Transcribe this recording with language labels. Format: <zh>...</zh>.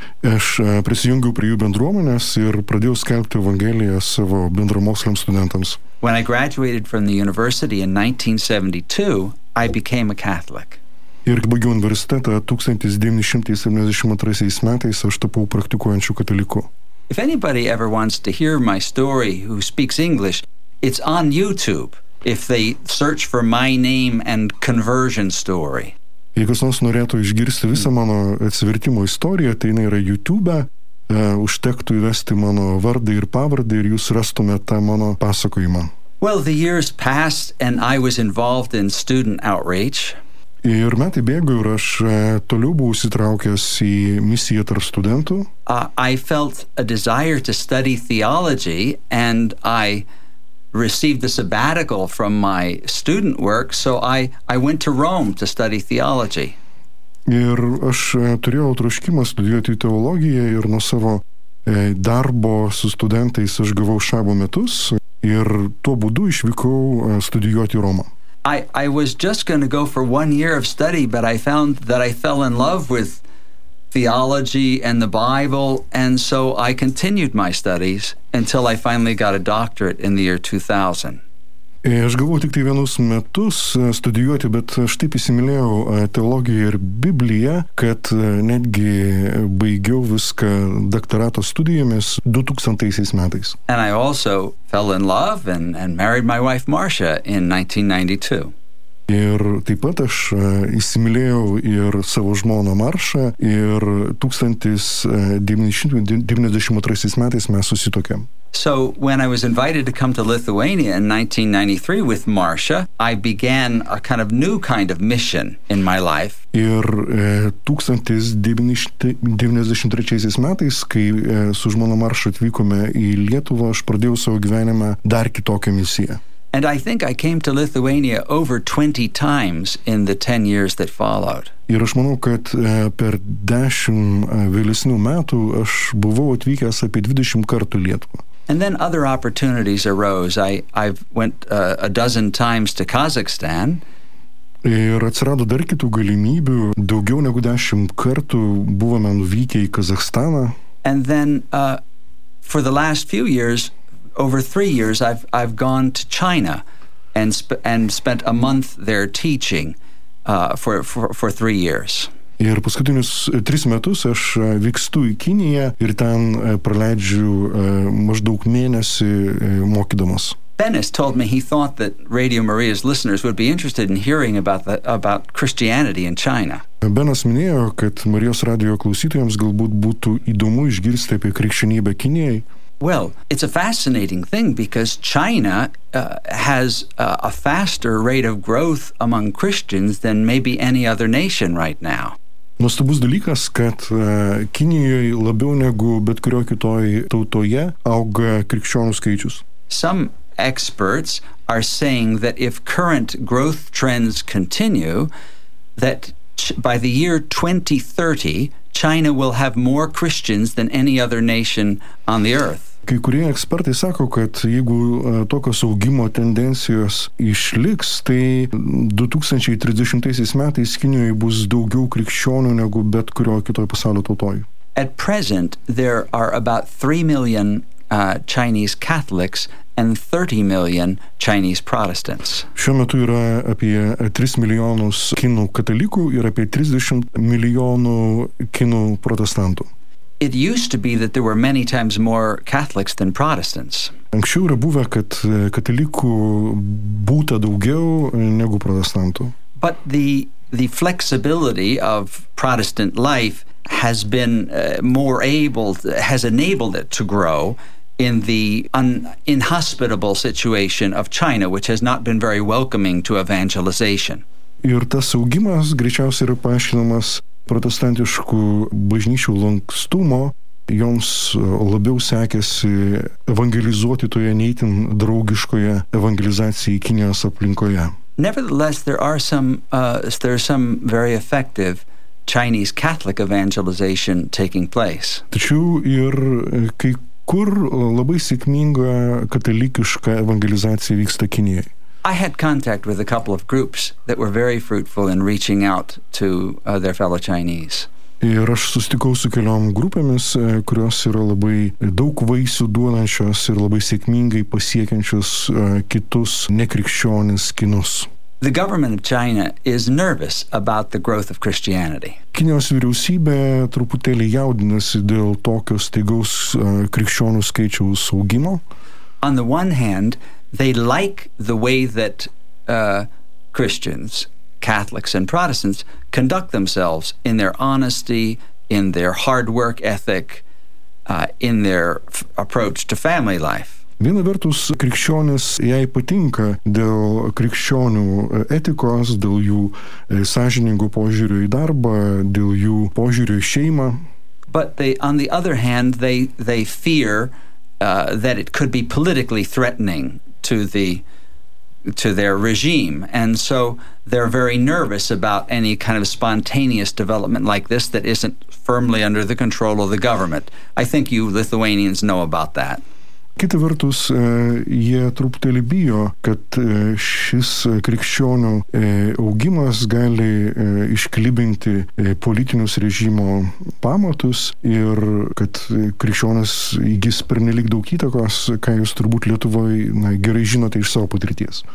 <lt>Aš prisijungiau prie jų bendruomenės ir pradėjau skelbti evangeliją savo bendramoksliams studentams.</lt> <en>When I graduated from the university in 1972, I became a Catholic.</en> <lt>Ir kai baigiau universitetą 1972 metais, aš tapau praktikuojančiu kataliku.</lt> <en>If anybody ever wants to hear my story who speaks English, it's on YouTube. If they search for my name and conversion story.</en> <lt>Jei kas nors norėtų išgirsti visą mano atsivertimo istoriją, tai jinai yra YouTube, užtektų įvesti mano vardą ir pavardą ir jūs rastumėt tą mano pasakojimą.</lt> <en>Well, the years passed and I was involved in student outreach.</en> <lt>Ir metai bėgo ir aš toliau buvau įsitraukęs į misiją tarp studentų.</lt> <en>I felt a desire to study theology and I received a sabbatical from my student work, so I went to Rome to study theology.</en> <lt>Ir aš turėjau troškimą studijuoti teologiją ir nuo savo darbo su studentais aš gavau šabo metus ir tuo būdu išvykau studijuoti Romą.</lt> <en>I was just going to go for one year of study, but I found that I fell in love with theology and the Bible, and so I continued my studies until I finally got a doctorate in the year 2000.</en> <lt>Aš gavau tik vienus metus studijuoti, bet aš taip įsimylėjau teologiją ir Bibliją, kad netgi baigiau viską doktorato studijomis 2000 metais.</lt> <en>And I also fell in love and married my wife Marcia in 1992.</en> <lt>Ir taip pat aš įsimylėjau ir savo žmoną Maršą ir 1992 metais mes susitokėm.</lt> <en>So when I was invited to come to Lithuania in 1993 with Marcia, I began a kind of new kind of mission in my life.</en> <lt>Ir 1993 metais, kai su žmona Marša atvykome į Lietuvą, aš pradėjau savo gyvenimą dar kitokią misiją.</lt> <en>And I think I came to Lithuania over 20 times in the 10 years that followed.</en> <lt>Ir aš manau, kad per 10 vėlesnių metų aš buvau atvykęs apie 20 kartų į Lietuvą.</lt> <en>And then other opportunities arose. I've went a dozen times to Kazakhstan.</en> <lt>Ir atsirado dar kitų galimybių. Daugiau negu 10 kartų buvome nuvykę į Kazakhstaną.</lt> <en>And then for the last few years, over 3 years, I've gone to China and spent a month there teaching for 3 years.</en> <lt>Ir paskutinius 3 metus aš vykstu į Kiniją ir ten praleidžiu maždaug mėnesį mokydamas.</lt> <en>Benis told me he thought that Radio Maria's listeners would be interested in hearing about Christianity in China.</en> <lt>Benas minėjo, kad Marijos radio klausytojams galbūt būtų įdomu išgirsti apie krikščionybę Kinijai.</lt> <en>Well, it's a fascinating thing because China has a faster rate of growth among Christians than maybe any other nation right now.</en> <lt>Nuostabus dalykas, kad Kinijoje labiau negu bet kurio kitoje tautoje auga krikščionų skaičius.</lt> <en>Some experts are saying that if current growth trends continue, that by the year 2030, China will have more Christians than any other nation on the earth.</en> <lt>Kai kurie ekspertai sako, kad jeigu tokios augimo tendencijos išliks, tai 2030 metais Kinijoje bus daugiau krikščionių negu bet kurio kitoje pasaulio tautoje.</lt> <en>At present, there are about 3 million Chinese Catholics and 30 million Chinese Protestants.</en> <lt>Šiuo metu yra apie 3 milijonus kinų katalikų ir apie 30 milijonų kinų protestantų.</lt> <en>It used to be that there were many times more Catholics than Protestants.</en> <lt>Anksčiau yra buvę, kad katalikų būta daugiau negu protestantų.</lt> <en>But the flexibility of Protestant life has been enabled it to grow in the inhospitable situation of China, which has not been very welcoming to evangelization.</en> <lt>Ir tas augimas greičiausiai yra paaiškinamas protestantiškų bažnyčių lankstumo, joms labiau sekėsi evangelizuoti toje neįtin draugiškoje evangelizacijai Kinijos aplinkoje.</lt> <en>Nevertheless, there are some very effective Chinese Catholic evangelization taking place.</en> <lt>Tačiau ir kai kur labai sėkminga katalikiška evangelizacija vyksta Kinijoje.</lt> <en>I had contact with a couple of groups that were very fruitful in reaching out to their fellow Chinese.</en> <lt>Ir aš susitikau su keliom grupėmis, kurios yra labai daug vaisių duodančios ir labai sėkmingai pasiekiančios kitus nekrikščionis kinus.</lt> <en>The government of China is nervous about the growth of Christianity.</en> <lt>Kinijos vyriausybė truputėlį jaudinasi dėl tokio staigaus krikščionių skaičiaus augimo.</lt> <en>On the one hand, they like the way that Christians, Catholics and Protestants conduct themselves in their honesty, in their hard work ethic, in their approach to family life.</en> <lt>Viena vertus, krikščionis jai patinka dėl krikščionių etikos, dėl jų sąžiningų požiūrių į darbą, dėl jų požiūrių į šeimą.</lt> <en>But they, on the other hand, they fear that it could be politically threatening to their regime, and so they're very nervous about any kind of spontaneous development like this that isn't firmly under the control of the government. I think you Lithuanians know about that.</en> <lt>Kita vertus, jie truputėlį bijo, kad šis krikščionių augimas gali išklibinti politinius režimo pamatus ir kad krikščionis įgis pernelyg daug įtakos, ką jūs turbūt Lietuvoje gerai žinote iš savo patirties.</lt>